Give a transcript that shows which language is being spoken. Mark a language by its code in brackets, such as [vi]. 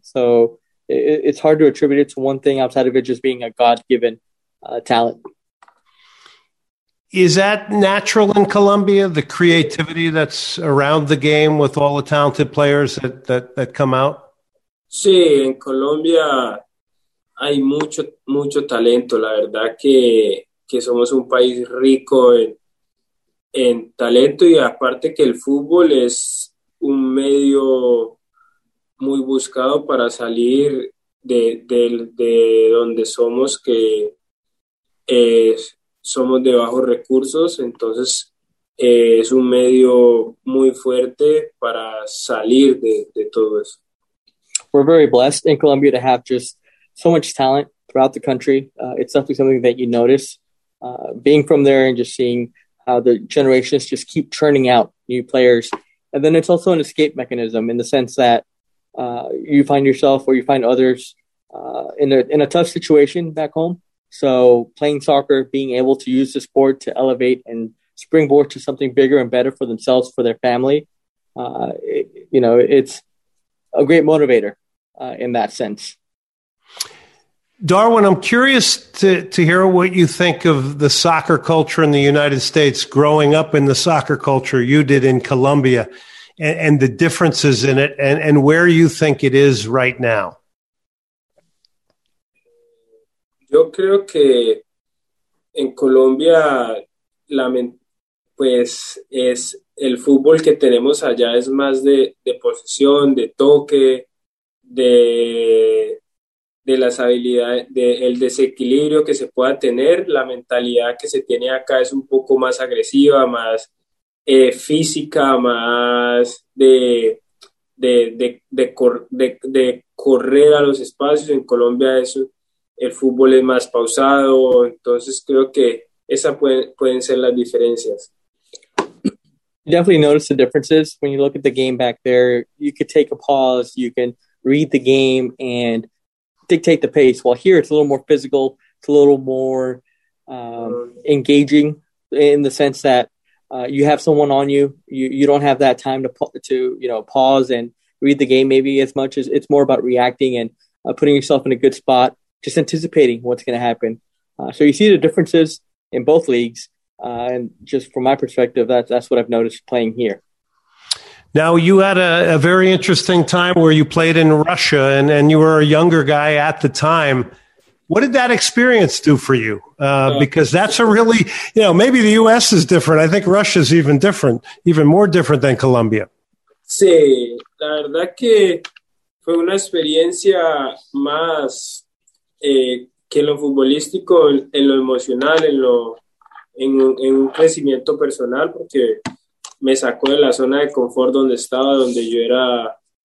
[en] So it's hard to attribute it to one thing outside of it just being a God given talent. Is that natural in Colombia, the creativity that's around the game with all the talented players that come out? [es] Sí, en Colombia hay mucho, mucho talento. La verdad que somos un país rico en talento y aparte que el fútbol es un medio muy buscado para salir de donde somos, que es... somos de bajos recursos, entonces es un medio muy fuerte para salir de todo eso. [en] We're very blessed in Colombia to have just so much talent throughout the country. It's definitely something that you notice being from there and just seeing how the generations just keep churning out new players. And then it's also an escape mechanism in the sense that you find yourself or you find others in a tough situation back home. So playing soccer, being able to use the sport to elevate and springboard to something bigger and better for themselves, for their family, it's a great motivator in that sense. Darwin, I'm curious to hear what you think of the soccer culture in the United States, growing up in the soccer culture you did in Colombia, and the differences in it and where you think it is right now. [es] Yo creo que en Colombia, pues es el fútbol que tenemos allá es más de posesión, de toque, de las habilidades, del desequilibrio que se pueda tener. La mentalidad que se tiene acá es un poco más agresiva, más física, más de correr a los espacios. En Colombia eso. El fútbol es más pausado, entonces creo que esa pueden ser las diferencias. [en] You definitely notice the differences when you look at the game back there. You could take a pause, you can read the game and dictate the pace. While here it's a little more physical, it's a little more engaging in the sense that you have someone on you. You don't have that time to pause and read the game maybe as much as it's more about reacting and putting yourself in a good spot. Just anticipating what's going to happen. So you see the differences in both leagues. And just from my perspective, that's what I've noticed playing here. Now, you had a very interesting time where you played in Russia and you were a younger guy at the time. What did that experience do for you? Because that's a really, maybe the U.S. is different. I think Russia is even different, even more different than Colombia. [es] Sí, la verdad que fue una experiencia más... que en lo futbolístico, en lo emocional, en un crecimiento personal, porque me sacó de la zona de confort donde estaba, donde yo era